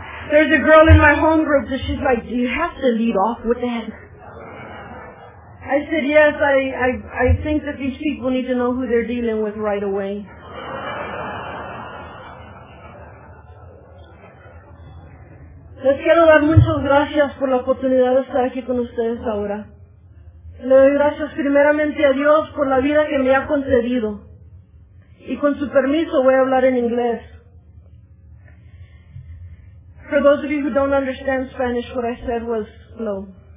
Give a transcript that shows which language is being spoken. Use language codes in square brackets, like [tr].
[en] There's a girl in my home group that she's like, do you have to lead off with that? I said, yes, I think that these people need to know who they're dealing with right away. [es] Les quiero dar muchas gracias por la oportunidad de estar aquí con ustedes ahora. Le doy gracias primeramente a Dios por la vida que me ha concedido. Y con su permiso voy a hablar en inglés. [en] For those of you who don't understand Spanish, what I said was slow.